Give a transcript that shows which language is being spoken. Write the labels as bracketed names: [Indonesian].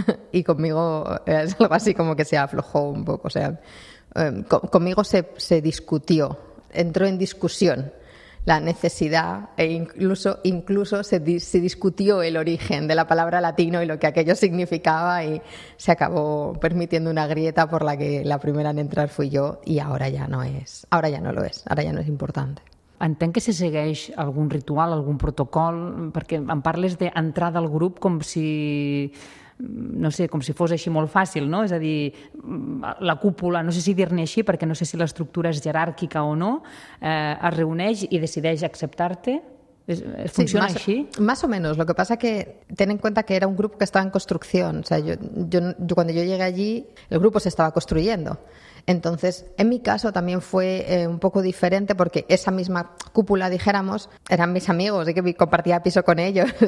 [Spanish] Y conmigo es algo así como que se aflojó un poco. O sea, conmigo se discutió, entró en discusión la necesidad e incluso se discutió el origen de la palabra latino y lo que aquello significaba, y se acabó permitiendo una grieta por la que la primera en entrar fui yo, y ahora ya no es importante. [Catalan] Entenc que se segueix algun ritual, algun protocol, perquè em parles d'entrada al grup com si, no sé, com si fos així molt fàcil, no? És a dir, la cúpula, no sé si dir-ne així, perquè no sé si l'estructura és jeràrquica o no, es reuneix i decideix acceptar-te. [Spanish] ¿Funciona sí, así? Más o menos. Lo que pasa es que ten en cuenta que era un grupo que estaba en construcción. O sea, yo cuando yo llegué allí, el grupo se estaba construyendo. Entonces, en mi caso también fue un poco diferente, porque esa misma cúpula, dijéramos, eran mis amigos y que compartía piso con ellos.